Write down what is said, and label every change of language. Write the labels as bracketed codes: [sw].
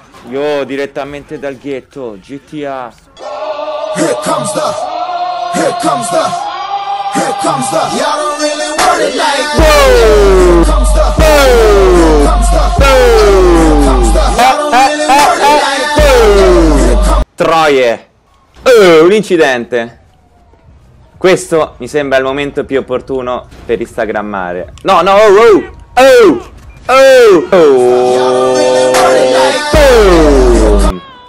[en] Yo, [it] direttamente dal ghetto, GTA. [en] Here comes the, here comes the, here comes the. Y'all don't really want it like that. Here comes the, here comes the, here comes the. Y'all don't really want it like that. [it] Troie. Un incidente. Questo mi sembra il momento più opportuno per instagrammare. No, no, oh, oh, oh. Oh, oh, boom.